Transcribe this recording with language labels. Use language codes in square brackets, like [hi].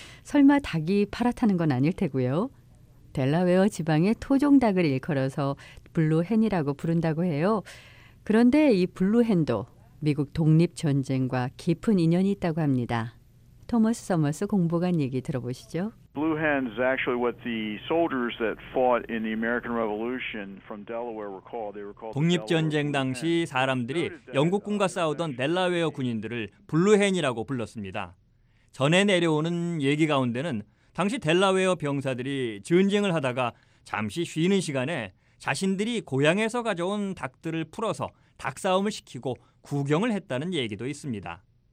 [ko] 설마 닭이 파랗다는 건 아닐 테고요. 델라웨어 지방의 토종 닭을 일컬어서 블루헨이라고 부른다고 해요. 그런데 이 블루헨도 미국 독립전쟁과 깊은 인연이 있다고 합니다. 토머스 서머스 공보관 얘기 들어보시죠. [en] Blue Hen is actually what the soldiers that fought in the American Revolution from Delaware were called. They were called. [ko] 독립전쟁 당시 사람들이 영국군과 싸우던 델라웨어 군인들을 블루헨이라고 불렀습니다. 전해 내려오는 얘기 가운데는 당시 델라웨어 병사들이 전쟁을 하다가 잠시 쉬는 시간에 자신들이 고향에서 가져온 닭들을 풀어서 닭 싸움을 시키고 구경을 했다는 얘기도 있습니다.